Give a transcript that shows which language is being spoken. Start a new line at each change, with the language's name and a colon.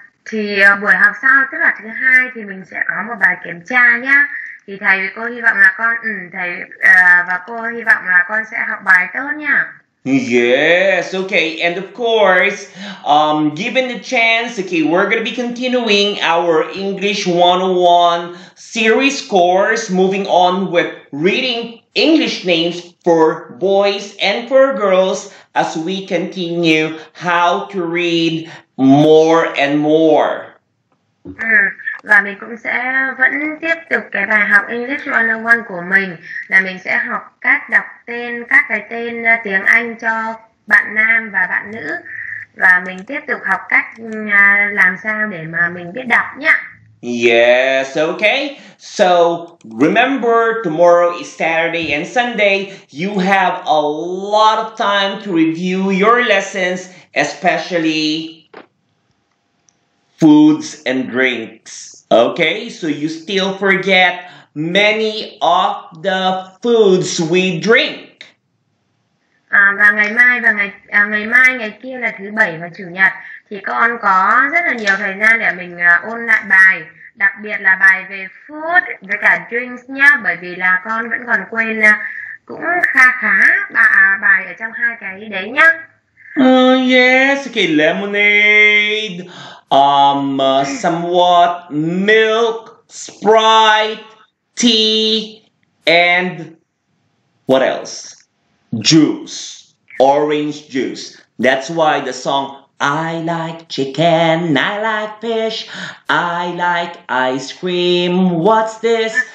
Vietnamese: Thì buổi học sau, tức là thứ hai thì mình sẽ có một bài kiểm tra nhá. Thì thầy với cô hy vọng là con thầy và cô hy vọng là con sẽ học bài tốt nhá.
English: Yes, okay, and of course, given the chance, okay, we're going to be continuing our English 101 series course, moving on with reading English names for boys and for girls as we continue how to read more and more.
Vietnamese: Và mình cũng sẽ vẫn tiếp tục cái bài học English 101 của mình, là mình sẽ học cách đọc tên, các cái tên tiếng Anh cho bạn nam và bạn nữ. Và mình tiếp tục học cách làm sao để mà mình biết đọc nhá.
English: Yes, okay. So, remember, tomorrow is Saturday and Sunday. You have a lot of time to review your lessons, especially foods and drinks, okay? So you still forget many of the foods we drink.
Vietnamese: Và ngày mai, ngày kia là thứ bảy và chủ nhật thì con có rất là nhiều thời gian để mình ôn lại bài, đặc biệt là bài về food với cả drinks nhá, bởi vì là con vẫn còn quên cũng khá khá bài ở trong hai cái đấy nhá.
English: Yes, okay, lemonade, somewhat milk, Sprite, tea, and what else? Juice, orange juice. That's why the song, I like chicken, I like fish, I like ice cream, what's this?